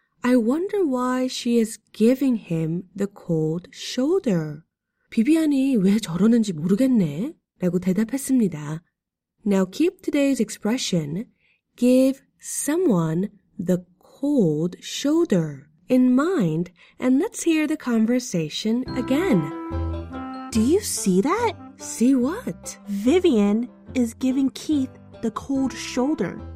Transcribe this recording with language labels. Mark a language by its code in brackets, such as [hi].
[en] I wonder why she is giving him the cold shoulder. [ko] 비비안이 왜 저러는지 모르겠네. 라고 대답했습니다. [en] Now keep today's expression, give someone the cold shoulder in mind, and let's hear the conversation again. Do you see that? See what? Vivian is giving Keith the cold shoulder.